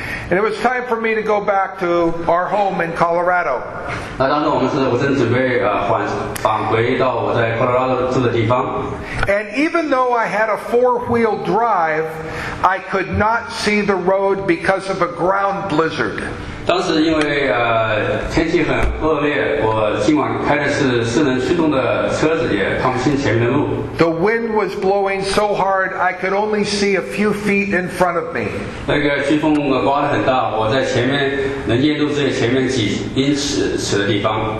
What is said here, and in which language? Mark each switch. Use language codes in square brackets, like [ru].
[en] And it was time for me to go back to our home in Colorado. [zh] 那当时我正准备返回到我在科罗拉多住的地方。 [en] And even though I had a four-wheel drive, I could not see the road because of a ground blizzard. [zh] 当时因为天气很恶劣，我尽管开的是四轮驱动的车子，也看不清前面的路。 [en] The wind was blowing so hard I could only see a few feet in front of me. [zh] 那个飓风刮得很大，我在前面能见度只有前面几英尺的地方。